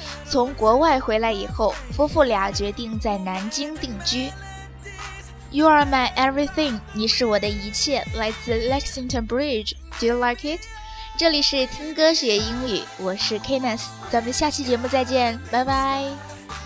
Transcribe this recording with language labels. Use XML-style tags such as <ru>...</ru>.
<zh>从国外回来以后，夫妇俩决定在南京定居。</zh> <en>You are my everything,</en> <zh>你是我的一切，来自 Lexington Bridge.</zh> <en>Do you like it?</en> <zh>这里是听歌学英语，我是 Kenneth. 咱们下期节目再见，拜拜。</zh>